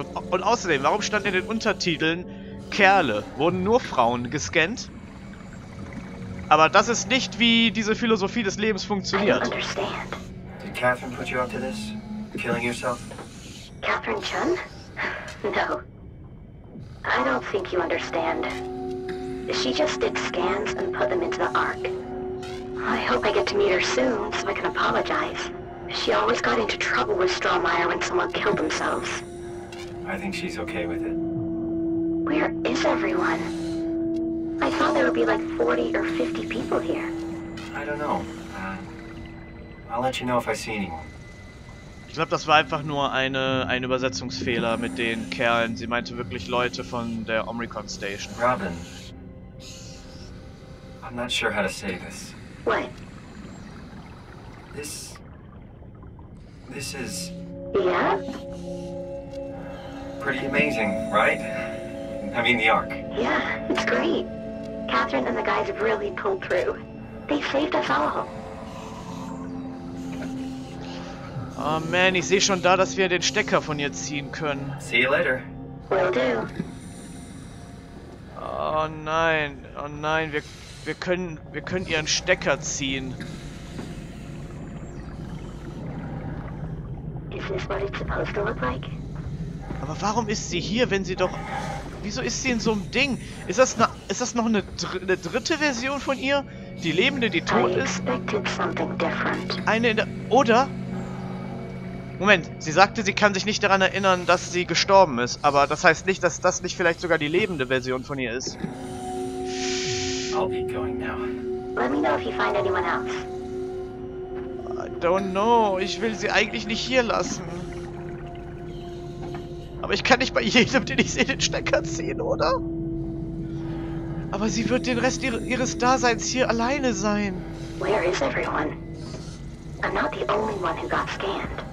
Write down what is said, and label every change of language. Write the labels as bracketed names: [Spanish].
[German] Und außerdem, warum stand in den Untertiteln Kerle? Wurden nur Frauen gescannt? Aber das ist nicht, wie diese Philosophie des Lebens funktioniert. [English] I don't understand. Did Catherine put you up to this? Killing yourself? Catherine Chun? No. I don't think you understand. She just did scans and put them into the Ark. I hope I get to meet her soon so I can apologize. She always got into trouble with Strawmeyer when someone killed themselves. I think she's okay with it. Wait, Where is everyone? I thought there would be like 40 or 50 people here. I don't know. I'll let you know if I see anyone. [German] Ich glaube, das war einfach nur ein Übersetzungsfehler mit den Kerlen. Sie meinte wirklich Leute von der Omricon Station. [English] Robin, I'm not sure how to say this. What? This is... Yeah? Pretty amazing, right? I mean, the Ark. Yeah, it's great. Catherine and the guys really pulled through. They saved us all. [German] Oh man, ich sehe schon da, dass wir den Stecker von ihr ziehen können. [English] See you later. Will do. [German] Oh nein, wir können ihren Stecker ziehen. [English] Is this what it's supposed to look like? [German] Aber warum ist sie hier, wenn sie doch... Wieso ist sie in so einem Ding? Ist das noch eine dritte Version von ihr? Die Lebende, die tot ist? [English] I expected something different. [German] Moment, sie sagte, sie kann sich nicht daran erinnern, dass sie gestorben ist. Aber das heißt nicht, dass das nicht vielleicht sogar die lebende Version von ihr ist. [English] I'll be going now. Let me know if you find anyone else. I don't know. [German] Ich will sie eigentlich nicht hier lassen. Aber ich kann nicht bei jedem, den ich sehe, den Stecker ziehen, oder? Aber sie wird den Rest ihres Daseins hier alleine sein. [English] Where is everyone? I'm not the only one who got scanned.